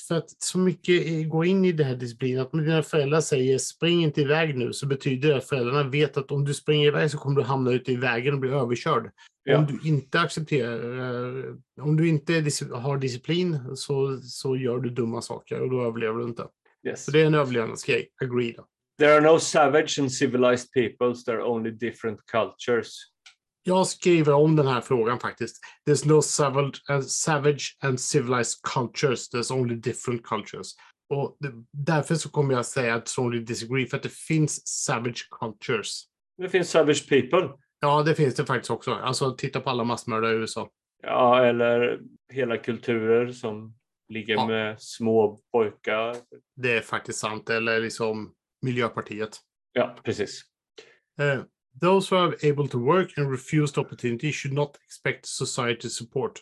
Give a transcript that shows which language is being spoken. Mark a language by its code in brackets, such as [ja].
[sv] För att så mycket går in i det här disciplinen. Att när dina föräldrar säger spring inte iväg nu, så betyder det att föräldrarna vet att om du springer iväg så kommer du hamna ute i vägen och bli överkörd. Ja. Om du inte accepterar, om du inte har disciplin, så gör du dumma saker och då överlever du inte. [en] Yes. [sv] Så det är en överlevnadsgrej. Agree då. [en] There are no savage and civilized peoples, there are only different cultures. [sv] Jag skriver om den här frågan faktiskt. [en] There's no savage and civilized cultures, there's only different cultures. [sv] Och därför så kommer jag säga att [en] strongly disagree, [sv] för att det finns [en] savage cultures. [sv] Det finns [en] savage people. [sv] Ja, det finns det faktiskt också. Alltså, titta på alla massmördare i USA. Ja, eller hela kulturer som ligger med små pojkar. Det är faktiskt sant, eller liksom Miljöpartiet. Ja, precis. [en] Those who are able to work and refused opportunity should not expect society support.